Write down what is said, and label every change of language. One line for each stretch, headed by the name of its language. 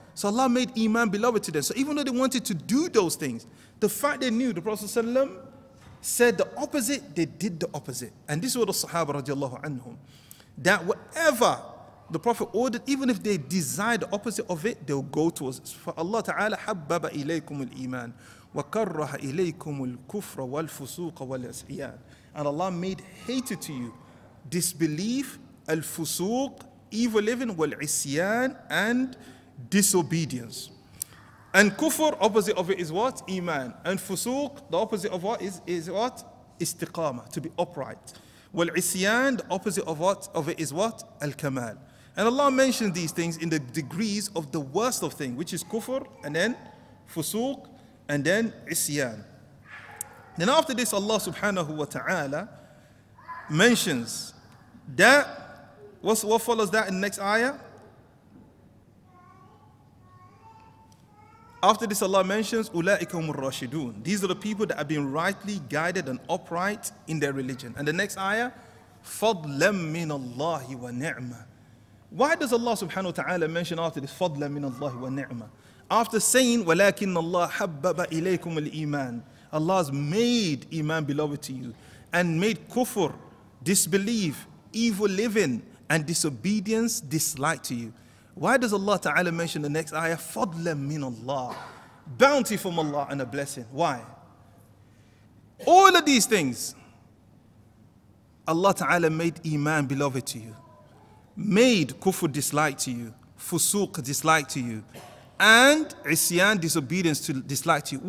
English: So Allah made Iman beloved to them. So even though they wanted to do those things, the fact they knew the Prophet said the opposite, they did the opposite. And this is what the Sahaba radiallahu anhum, that whatever the Prophet ordered, even if they desire the opposite of it, they'll go towards it. For Allah Ta'ala,
Arabic: حَبَّبَ إِلَيْكُمُ الْإِيمَانِ وَكَرَّهَ إِلَيْكُمُ الْكُفْرَ وَالْفُسُوقَ وَالْعِصْيَانِ.
English: And Allah made hated to you disbelief, الفسوق, evil living, والعصيان, and disobedience. And kufr, opposite of it is what? Iman. And fusuq, the opposite of what is what? Istiqama, to be upright. Well, isyan, the opposite of what of it is what? Al-kamal. And Allah mentions these things in the degrees of the worst of things, which is kufr, and then fusuq, and then isyan. Then after this, Allah subhanahu wa ta'ala mentions that, what follows that in the next ayah? After this, Allah mentions,
Arabic: أُولَٰئِكَ هُمُ الرَّاشِدُونَ.
English: These are the people that have been rightly guided and upright in their religion. And the next ayah,
Arabic: فَضْلًا مِّنَ اللَّهِ وَنِعْمًا.
English: Why does Allah subhanahu wa ta'ala mention after this,
Arabic: فَضْلًا مِّنَ اللَّهِ وَنِعْمًا?
English: After saying,
Arabic: وَلَكِنَّ اللَّهَ حَبَّبَ إِلَيْكُمُ الْإِيمَانِ.
English: Allah has made iman beloved to you, and made kufr, disbelief, evil living, and disobedience dislike to you. Why does Allah Ta'ala mention the next ayah?
Arabic: فَضْلًا مِّنَ اللَّهِ.
English: Bounty from Allah and a blessing. Why? All of these things, Allah Ta'ala made iman beloved to you, made kufr dislike to you, fusuq dislike to you, and isyan disobedience to dislike to you.